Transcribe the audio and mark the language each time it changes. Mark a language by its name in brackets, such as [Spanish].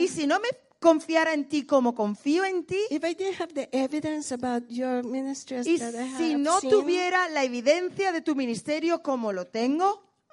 [Spanish] Y si no me confiara en ti como confío en ti. [English] If I didn't have the evidence about your ministry as [Spanish] y [English] that I have [Spanish] si no [English] seen, [Spanish] tuviera la evidencia de tu ministerio como lo tengo.